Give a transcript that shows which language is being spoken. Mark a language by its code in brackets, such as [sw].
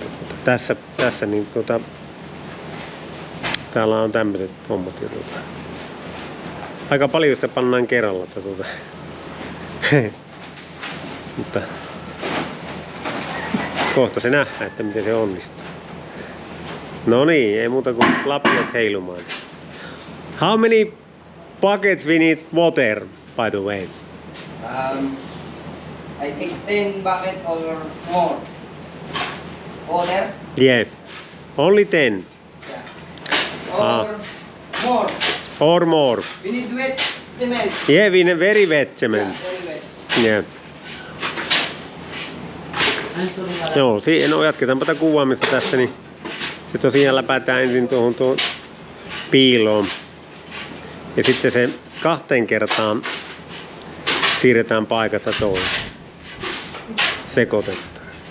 [fi] Mutta tässä niin tuota, täällä on tämmöiset hommat. Aika paljon se pannaan kerralla. Mutta kohta se nähdään, että miten se onnistuu. No niin, ei muuta kuin lapiot heilumaan. [en] How many buckets we need water, by the way? I think 10 buckets or more. Water? Yeah, only 10. Yeah. Or more. Or more. We need wet cement. Yeah, we need very wet cement. Yeah, very wet. Yeah. [fi] Joo, no jatketaanpa tätä kuvaamista tässä, niin se tosiaan läpäätään ensin tuohon piiloon. Ja sitten se kahteen kertaan siirretään paikassa toiseen. Sekoitetaan.